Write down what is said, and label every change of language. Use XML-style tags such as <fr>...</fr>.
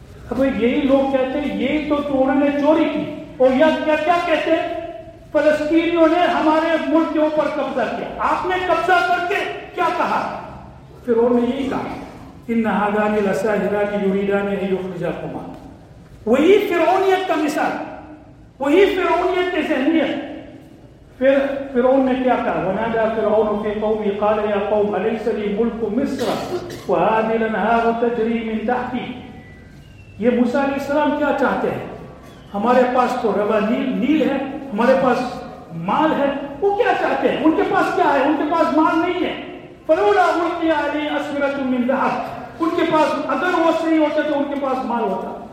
<ur>اب یہی لوگ کہتے ہیں یہی تو انہوں نے چوری کی، اور یہ کیا کیا کہتے ہیں فلسطینیوں نے ہمارے ملک کے اوپر قبضہ کیا، آپ نے قبضہ کر کے کیا کہا. فرعون نے یہی کہا</ur> <ar>ان ھذان لساحران یریدان ان یخرجاکما،</ar> <ur>وہی فرعونیت کا مثال، وہی فرعونیت کی ذہنیت. پھر فرعون نے کیا کہا،</ur> <ar>ونادى فرعون في قومه قال يا قوم اليس لي ملك مصر وهذه الانهار تجري من تحتي.</ar> <ur>یہ موسیٰ علیہ السلام کیا چاہتے ہیں، ہمارے پاس تو ربا نیل ہے، ہمارے پاس مال ہے وہ کیا چاہتے ہیں, ان کے پاس کیا ہے, ان کے پاس مال نہیں ہے.</ur> <ar>فلولا القی علی اسمرۃ من ذہب,</ar> <ur>ان کے پاس اگر وہ صحیح ہوتے تو ان کے پاس مال ہوتا.</ur>